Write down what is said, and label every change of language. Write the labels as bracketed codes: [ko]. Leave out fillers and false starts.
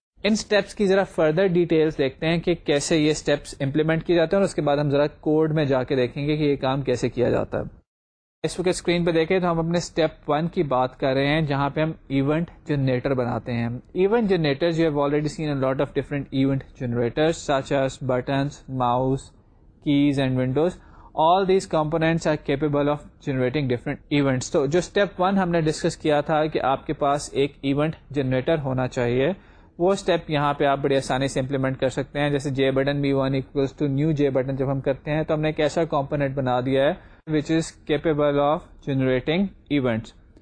[ur] ان steps کی ذرا further details دیکھتے ہیں کہ کیسے یہ اسٹیپس امپلیمنٹ کیے جاتے ہیں, اور اس کے بعد ہم ذرا کوڈ میں جا کے دیکھیں گے کہ یہ کام کیسے کیا جاتا ہے. اس وقت اسکرین پہ دیکھیں تو ہم اپنے اسٹیپ ون کی بات کر رہے ہیں جہاں پہ ہم ایونٹ جنریٹر بناتے ہیں. [en] Event generators you have already seen a lot of different event generators such as buttons mouse keys and windows. All these components are capable of generating different events. [ur] تو جو step 1 ہم نے discuss کیا تھا کہ آپ کے پاس ایک event generator ہونا چاہیے, وہ step یہاں پہ آپ بڑی آسانی سے implement کر سکتے ہیں. جیسے جے button be one equals to new J button جب ہم کرتے ہیں تو ہم نے ایک ایسا کمپونیٹ بنا دیا ہے وچ is capable of generating events.